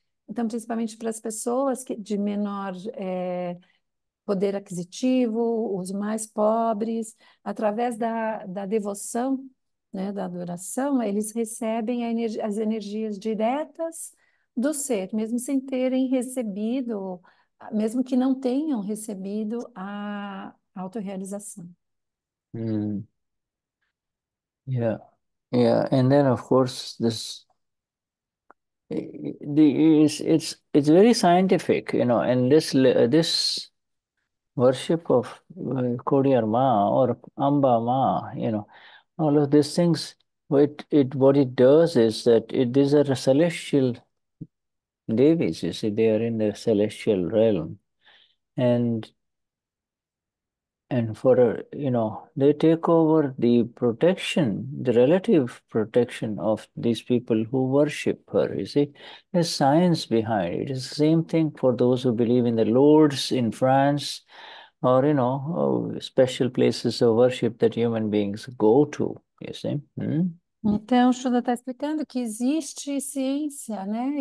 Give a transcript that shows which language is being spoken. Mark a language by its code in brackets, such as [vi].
[pt] Então, principalmente para as pessoas que de menor poder aquisitivo, os mais pobres, através da devoção, né, da adoração, eles recebem as energias diretas do ser, mesmo sem terem recebido, mesmo que não tenham recebido a autorrealização. [en] And then of course this it's very scientific, and this worship of Kodiyar Ma or Amba Ma, all of these things, what it does is that these are celestial devas, you see, they are in the celestial realm. And for, they take over the protection, the relative protection of these people who worship her. You see, there's science behind it. It's the same thing for those who believe in the Lords in France, or special places of worship that human beings go to. You see. [pt] Então, Shuddha está explicando que existe ciência, né?